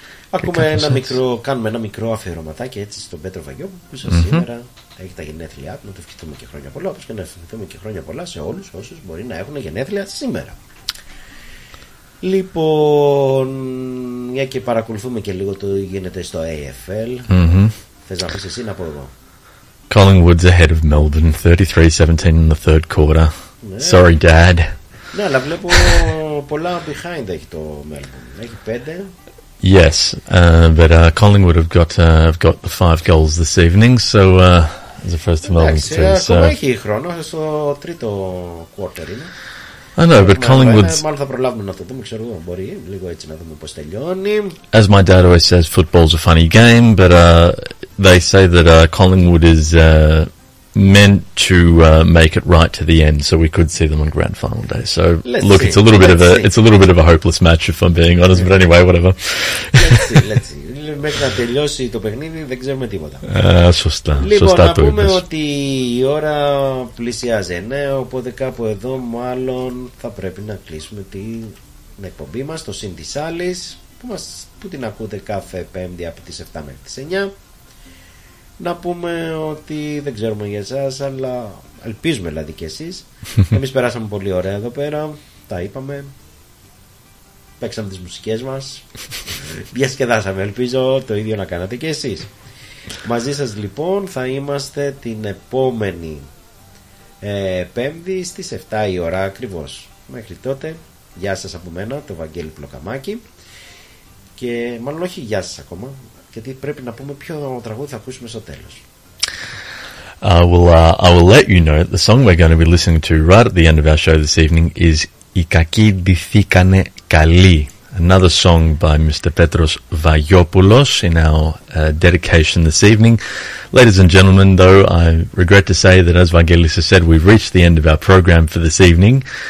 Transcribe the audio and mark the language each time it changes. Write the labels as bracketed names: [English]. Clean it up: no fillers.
[Greek] Ακούμε ένα μικρό, κάνουμε ένα μικρό αφιερωματάκι έτσι στον Πέτρο Βαγιό που ίσως σήμερα έχει τα γενέθλιά του. Να του ευχηθούμε και χρόνια πολλά, όπως και να ευχηθούμε και χρόνια πολλά σε όλους όσους μπορεί να έχουν γενέθλια σήμερα. Λοιπόν, μια και παρακολουθούμε και λίγο το γίνεται στο AFL. Θες να πεις εσύ, να πω εγώ. [English] Collingwood's ahead of Melbourne 33-17 in the third quarter. Ναι. Sorry dad. [Greek] Ναι, αλλά βλέπω πολλά behind έχει το Melbourne. Έχει πέντε. [English] Yes, but Collingwood have got the five goals this evening, so it's the first of Melbourne's two. [Greek] Εντάξει, ακόμα έχει χρόνο, στο τρίτο quarter είναι. [English] I know, but Collingwood's... [Greek] Μάλλον θα προλάβουμε να το δούμε, ξέρω εγώ, μπορεί λίγο έτσι να δούμε πώς τελειώνει. [English] As my dad always says, football's a funny game, but they say that Collingwood is... meant to make it right to the end, so we could see them on grand final day. So let's look, see. it's a little bit of a hopeless match, if I'm being honest. But anyway, whatever. Let's see. [Greek] Μέχρι να τελειώσει το παιχνίδι, δεν ξέρουμε τίποτα. Σωστά. Λοιπόν, σωστά να το πούμε είπες. Ότι η ώρα πλησιάζει, ναι, οπότε κάπου εδώ μάλλον θα πρέπει να κλείσουμε την εκπομπή μας, το Σύν της Άλλης, που την ακούτε κάθε Πέμπτη από τις 7 μέχρι τις 9. Να πούμε ότι δεν ξέρουμε για εσάς, αλλά ελπίζουμε δηλαδή και εσείς. Εμείς περάσαμε πολύ ωραία εδώ πέρα, τα είπαμε, παίξαμε τις μουσικές μας, διασκεδάσαμε, ελπίζω το ίδιο να κάνατε και εσείς. Μαζί σας λοιπόν θα είμαστε την επόμενη Πέμπτη στις 7 η ώρα ακριβώς. Μέχρι τότε, γεια σας από μένα, το Βαγγέλη Πλοκαμάκη. Και μάλλον όχι γεια σας ακόμα, γιατί πρέπει να πούμε ποιο τραγούδι θα ακούσουμε στο τέλος. [English] I will let you know that the song we're going to be listening to right at the end of our show this evening is «Οι κακοί ντυθήκανε καλοί», another song by Mr. Petros Vagiopoulos in our dedication this evening. Ladies and gentlemen, though, I regret to say that, as Vangelis has said, we've reached the end of our program for this evening.